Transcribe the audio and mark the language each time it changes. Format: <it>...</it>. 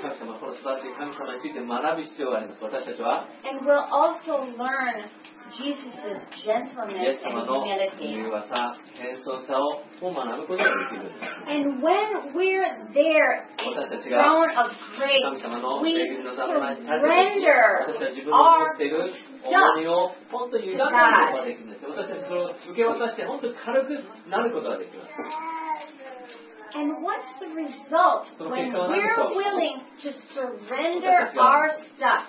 <ja>神様、この素晴らしい神様について学ぶ必要があります。私たちは。</ja> <en>And we'll also learn Jesus' gentleness and humility.</en> <ja>神様の柔和さ、謙遜さを学ぶことができる。</ja> <en>And when we're there at the throne of grace, we surrender our And what's the result when we're willing to surrender our stuff?</en>